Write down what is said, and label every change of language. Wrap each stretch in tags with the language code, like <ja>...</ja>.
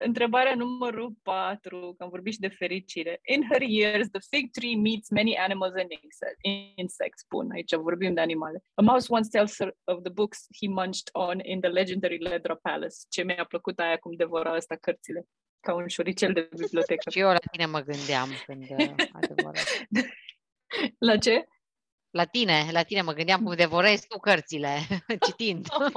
<ro>Întrebarea numărul 4, când vorbiți de fericire.</ro> <en>In her years, the fig tree meets many animals and insects.</en> <ro>Bun, aici vorbim de animale.</ro> <en>A mouse once tells her of the books he munched on in the legendary Ledra Palace.</en> <ro>Ce mi-a plăcut aia cum devora asta cărțile. Ca un șoricel de bibliotecă. Și eu la tine mă gândeam când adevărat. La ce? La tine, la tine mă gândeam cum devorezi tu cărțile, citind.</ro>